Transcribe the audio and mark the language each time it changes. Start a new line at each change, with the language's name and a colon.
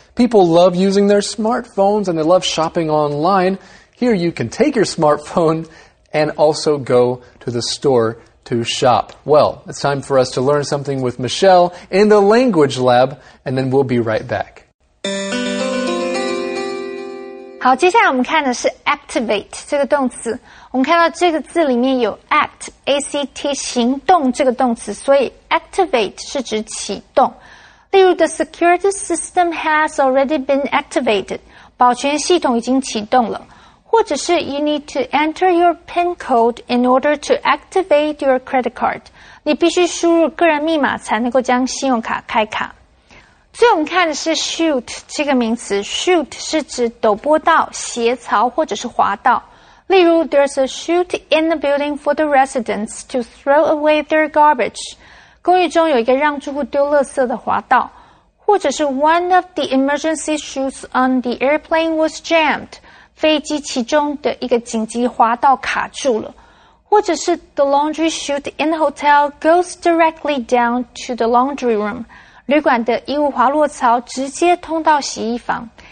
English: People love using their smartphones and they love shopping online. Here you can take your smartphone and also go to the store to shop. Well, it's time for us to learn something with Michelle in the language lab, and then we'll be right back.
Chinese: 好，接下来我们看的是 activate 这个动词。我们看到这个字里面有 act, A-C-T, 行动这个动词，所以 activate 是指启动。例如
English: the security system has already been activated,
Chinese: 保全系统已经启动了。或者是
English: you need to enter your PIN code in order to activate your credit card,
Chinese: 你必须输入个人密码才能够将信用卡开卡。最后我们看的是 shoot 这个名词 ,shoot 是指陡坡道、斜槽或者是滑道。例如
English: there's a shoot in the building for the residents to throw away their garbage,
Chinese: 公寓中有一个让住户丢垃圾的滑道，或者是
English: one of the emergency chutes on the airplane was jammed,
Chinese: 飞机其中的一个紧急滑道卡住了，或者是
English: the laundry chute in the hotel goes directly down to the laundry room,
Chinese: 旅馆的衣物滑落槽直接通到洗衣房。